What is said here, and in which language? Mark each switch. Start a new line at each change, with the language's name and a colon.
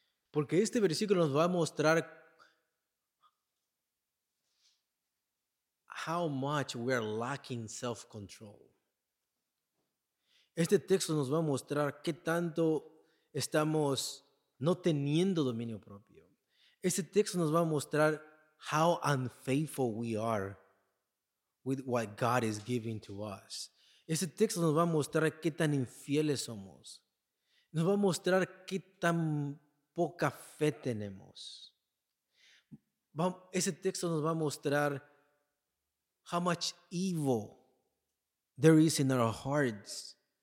Spanish: Porque este versículo nos va a mostrar
English: how much we are lacking self-control.
Spanish: Este texto nos va a mostrar qué tanto estamos no teniendo dominio propio. Este texto nos va a mostrar
English: how unfaithful we are with what God is giving to us.
Spanish: Este texto nos va a mostrar qué tan infieles somos. Nos va a mostrar qué tan poca fe tenemos. Ese texto nos va a mostrar
English: how much evil there is in our hearts.